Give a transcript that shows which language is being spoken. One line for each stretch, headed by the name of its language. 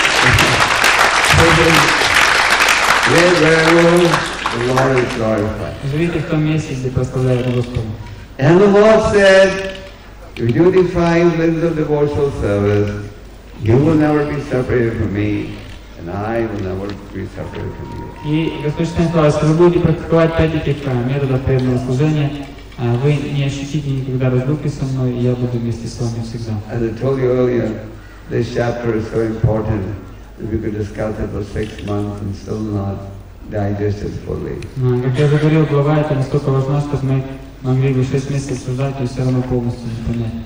English: Live where the Lord is glorified.
Russian: Живите в том месте, где прославляет Господа.
English: And the Lord said, if you do the five limbs of devotional service, you will never be separated from me, and I will never be separated from you.
Russian: И Господь Чайтанья сказал, если вы будете практиковать пять этих методов преданного служения, Вы не ощутите никогда разлуки со мной, и я буду вместе с вами всегда.
English: As I told you earlier, this chapter is so important. If you could discuss it for 6 months and still not digest it fully.
Russian: Как я говорил, глава это настолько важна, что мы могли бы 6 месяцев создать и все равно полностью не понять.